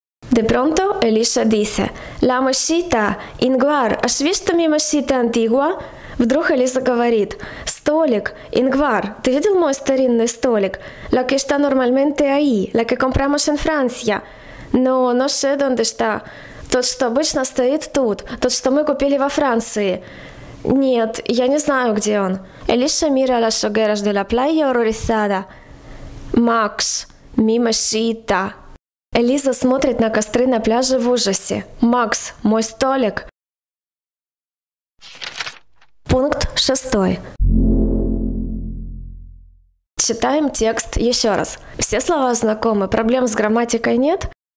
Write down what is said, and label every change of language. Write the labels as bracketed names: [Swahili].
[Spanish] De pronto Elisa dice: La mesita, Ingvar, ¿has visto mi mesita antigua? [Russian] Вдруг Элиза говорит: Столик, Ингвар, ты видел мой старинный столик? [Spanish] La que está normalmente ahí, la que compramos en Francia. Но, no sé dónde está. [Russian] Тот, что обычно стоит тут, тот, что мы купили во Франции. Нет, я не знаю, где он. [Spanish] Elisa mira las hogueras de la playa horrorizada. Макс, mi mesita. [Russian] Элиза смотрит на костры на пляже в ужасе. Макс, мой столик. Пункт шестой. Читаем текст еще раз. Все слова знакомы, проблем с грамматикой нет?